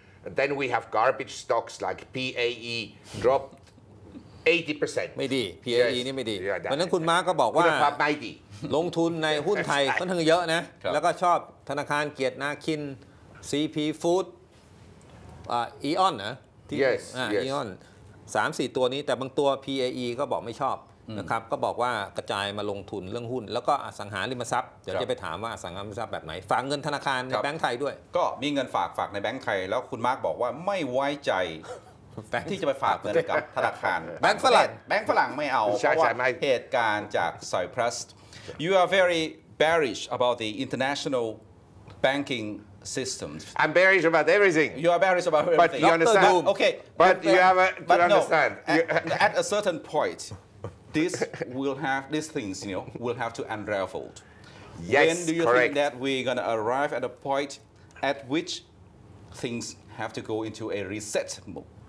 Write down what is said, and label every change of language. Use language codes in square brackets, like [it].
[en] And then we have garbage stocks like PAE dropped 80%. [th] ไม่ดี PAE นี่ไม่ดีเพราะนั้นคุณมาร์กก็บอกว่า คุณภาพไม่ดี ลงทุนในหุ้นไทยค่อนข้างเยอะนะแล้วก็ชอบธนาคารเกียรตินาคิน CP Food Aeon นะ ที่ Aeon 3-4 ตัวนี้แต่บางตัว PAE ก็บอกไม่ชอบนะครับก็บอกว่ากระจายมาลงทุนเรื่องหุ้นแล้วก็อสังหาริมทรัพย์เดี๋ยวจะไปถามว่าอสังหาริมทรัพย์แบบไหนฝากเงินธนาคารในแบงก์ไทยด้วย ก็มีเงินฝากในแบงก์ไทยแล้วคุณมาร์กบอกว่าไม่ไว้ใจที่จะไปฝากเงินกับธนาคาร แบงก์ฝรั่ง ไม่เอาเพราะว่าเหตุการณ์จากไซปรัส [en] you are very bearish about the international bankingsystems. I'm bearish about everything. You are bearish about everything. But you understand. Doom. Okay. But you have to understand. At a certain point, this will have these things. You know, will have to unravel. Yes. When do you correct. Think that we're gonna arrive at a point at which things have to go into a reset mode?